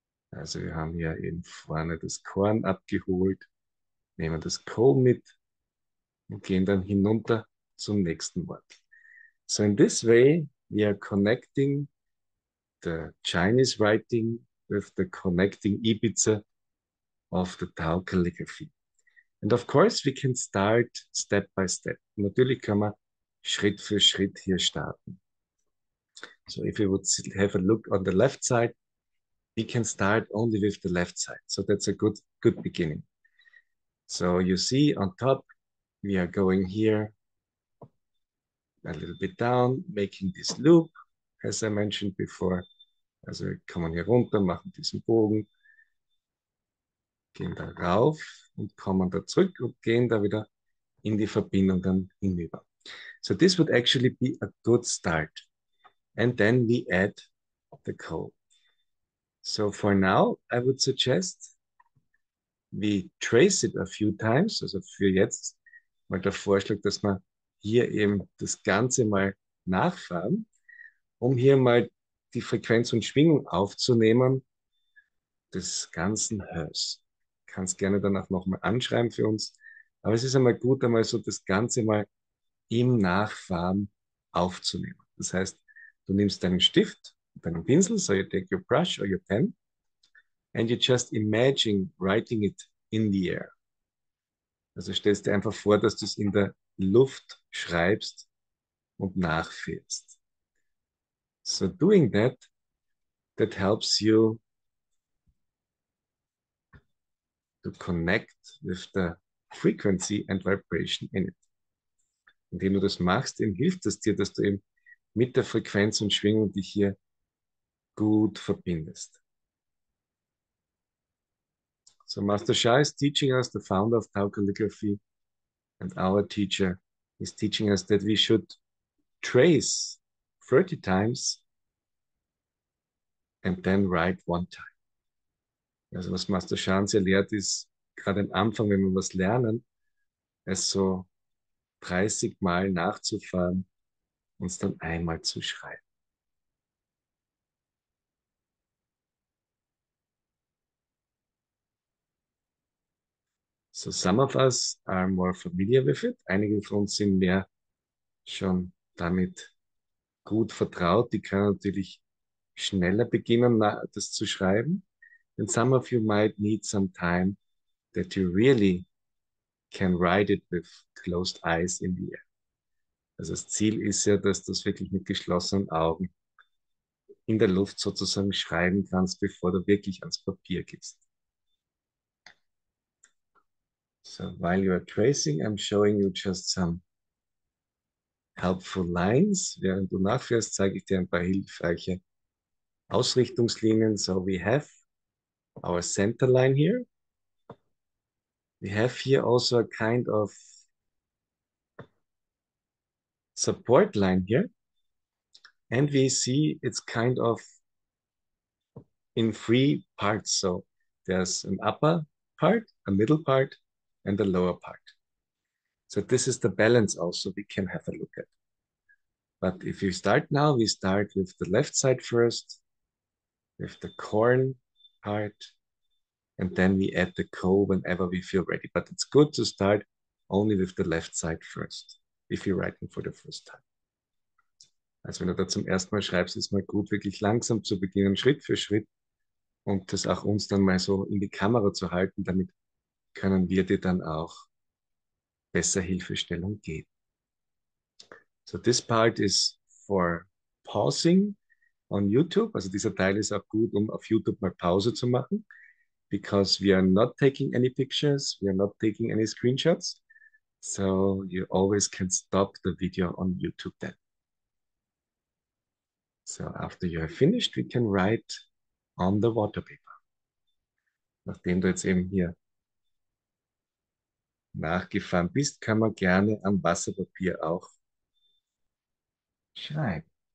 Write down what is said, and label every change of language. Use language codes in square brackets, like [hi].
[de] Also wir haben hier eben vorne das Korn abgeholt, nehmen das Ko mit und gehen dann hinunter zum nächsten Wort. [en] So in this way, we are connecting the Chinese writing with the connecting Ibiza of the Tao calligraphy. And of course, we can start step by step. [de] Natürlich kann man Schritt für Schritt hier starten. [en] So if you would have a look on the left side, we can start only with the left side. So that's a good beginning. So you see on top, we are going here. A little bit down, making this loop, as I mentioned before. [de] Also kommen hier runter, machen diesen Bogen, gehen da rauf und kommen da zurück und gehen da wieder in die Verbindung dann hinüber. [en] So this would actually be a good start. And then we add the code. So for now, I would suggest we trace it a few times. [de] Also für jetzt mal der Vorschlag, dass man hier eben das Ganze mal nachfahren, um hier mal die Frequenz und Schwingung aufzunehmen des ganzen Hörs. Kannst gerne danach nochmal anschreiben für uns, aber es ist einmal gut, einmal so das Ganze mal im Nachfahren aufzunehmen. Das heißt, du nimmst deinen Stift, deinen Pinsel, [en] so you take your brush or your pen, and you just imagine writing it in the air. [de] Also stellst dir einfach vor, dass du es in der Luft schreibst und nachfährst. [en] So doing that helps you to connect with the frequency and vibration in it. [de] Indem du das machst, eben hilft es dir, dass du eben mit der Frequenz und Schwingung dich hier gut verbindest. [en] So Master Sha is teaching us, the founder of Tao Calligraphy, and our teacher is teaching us that we should trace 30 times and then write one time. [de] Also was Master Sha uns erlehrt ist, gerade am Anfang, wenn wir was lernen, es so 30 Mal nachzufahren und es dann einmal zu schreiben. So some of us are more familiar with it. Einige von uns sind mehr schon damit gut vertraut. Die können natürlich schneller beginnen, das zu schreiben. [en] And some of you might need some time that you really can write it with closed eyes in the air. [de] Also das Ziel ist ja, dass du es wirklich mit geschlossenen Augen in der Luft sozusagen schreiben kannst, bevor du wirklich ans Papier gehst. [en] So while you are tracing, I'm showing you just some helpful lines. [de] Während du nachführst, zeige ich dir ein paar hilfreiche Ausrichtungslinien. [en] So we have our center line here. We have here also a kind of support line here. And we see it's kind of in three parts. So there's an upper part, a middle part, and the lower part. So this is the balance also we can have a look at. But if you start now, we start with the left side first, with the corn part, and then we add the co whenever we feel ready. But it's good to start only with the left side first, if you're writing for the first time. [de] Also wenn du da zum ersten Mal schreibst, ist mal gut, wirklich langsam zu beginnen, Schritt für Schritt, und das auch uns dann mal so in die Kamera zu halten, damit können wir dir dann auch besser Hilfestellung geben. [en] So this part is for pausing on YouTube. [de] Also dieser Teil ist auch gut, um auf YouTube mal Pause zu machen, [en] because we are not taking any pictures, we are not taking any screenshots. So you always can stop the video on YouTube then. So after you have finished, we can write on the water paper. [de] Nachdem du jetzt eben hier nachgefahren bist, kann man gerne am Wasserpapier auch schreiben.